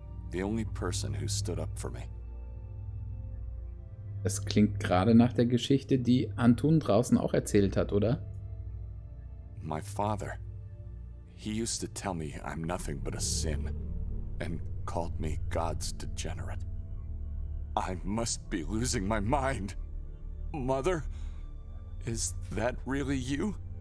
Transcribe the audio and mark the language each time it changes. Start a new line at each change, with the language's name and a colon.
English: The only person who stood up for me.
German: Das klingt gerade nach der Geschichte, die Antun draußen auch erzählt hat, oder?
English: My father. He used to tell me I'm nothing but a sin and called me God's degenerate. I must be losing my mind. Mother, is that really you?